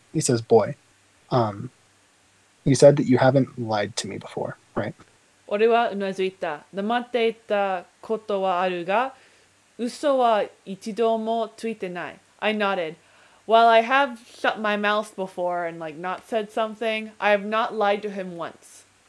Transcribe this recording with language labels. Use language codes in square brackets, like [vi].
[en] He says, boy, you said that you haven't lied to me before, right? [ja] 俺はうなずいた。黙っていたことはあるが、嘘は一度もついてない。 [en] I nodded. While I have shut my mouth before and like not said something, I have not lied to him once.